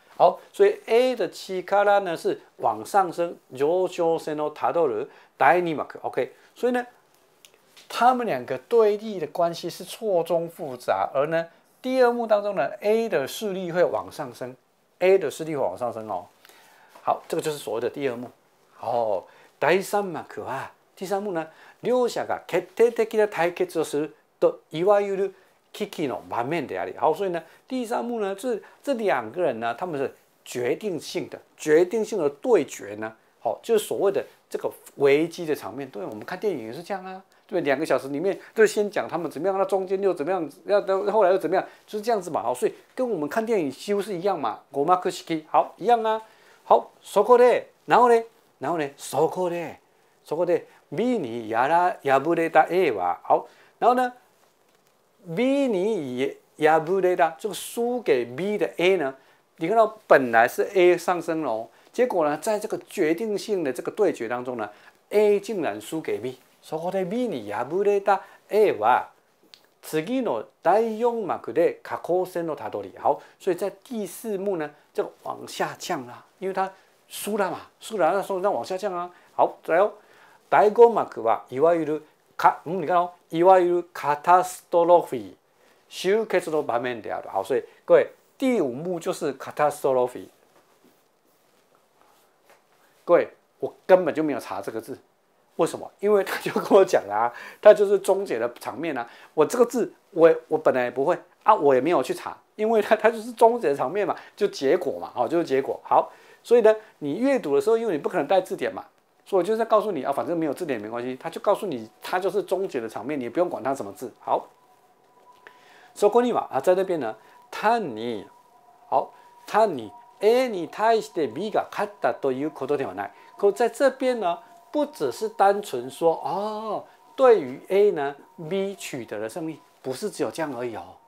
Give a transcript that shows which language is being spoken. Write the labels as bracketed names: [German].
[Chinese] 好，所以 A 的力呢是往上升， [Japanese] 上昇線をたどる。 [Chinese] 第二幕 ，OK， 所以呢，他们两个对立的关系是错综复杂，而呢，第二幕当中呢 ，A 的势力会往上升 ，A 的势力会往上升哦。好，这个就是所谓的第二幕。好，第三幕啊，第三幕呢， [Japanese] 両者が決定的な対決をするといわゆる危機の場面であり。 [Chinese] 好，所以呢，第三幕呢，这两个人呢，他们是决定性的对决呢。好，就是所谓的这个危机的场面。对，我们看电影也是这样啊。对，两个小时里面就先讲他们怎么样，那中间又怎么样，要后来又怎么样，就是这样子嘛。好，所以跟我们看电影几乎是一样嘛。五幕式，好，一样啊。 [Japanese] 好，そこで、なおね、なおね、そこで、そこで、B にやら破れた A は、 [Chinese] 好、然后呢、 [Japanese] B に破れた、 [Chinese] 这个输给 B 的 A 呢、你看到本来是 A 上升了、结果呢、在这个决定性的这个对决当中呢、A 竟然输给 B、 [Japanese] そこで B に破れた A は、次の第四幕で下降線のたどり、 [Chinese] 好、所以在第四幕呢、就往下降了。因为他输了嘛，输了，那所以往下降啊。好，来哦， [Japanese] 第五幕はいわゆる [Chinese] 你看哦， [Japanese] いわゆるカタストロフィー集結の場面である。 [Chinese] 好，所以各位，第五幕就是カタストロフィー。各位，我根本就没有查这个字，为什么？因为他就跟我讲啦、啊，他就是终结的场面啊。我这个字，我本来也不会啊，我也没有去查。因为它就是终结的场面嘛，就结果嘛，哦，就是结果。好，所以呢，你阅读的时候，因为你不可能带字典嘛，所以我就是告诉你啊，反正没有字典没关系，他就告诉你，它就是终结的场面，你不用管它什么字。 [Japanese] 好，そこには啊， [Chinese] 在那边呢， [Japanese] 単に好，単に A に対して B が勝ったということではない。 [Chinese] 可在这边呢，不只是单纯说哦，对于 A 呢 B 取得了胜利，不是只有这样而已哦。